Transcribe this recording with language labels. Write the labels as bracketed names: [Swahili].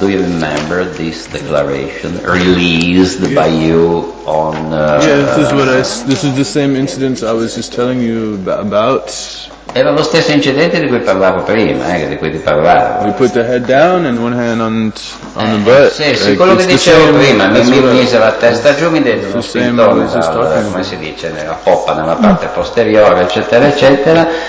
[English] Do you remember this declaration released by you on? This is the same incident I was just telling you about. [Italian] Era lo stesso incidente di cui parlavo prima, di cui ti parlavo. [English] We put the head down and one hand on the butt. [Italian] Sì, quello che dicevo prima, mi mise la testa giù, mi detto lo spinto, come si dice, nella poppa, nella parte posteriore, eccetera, eccetera.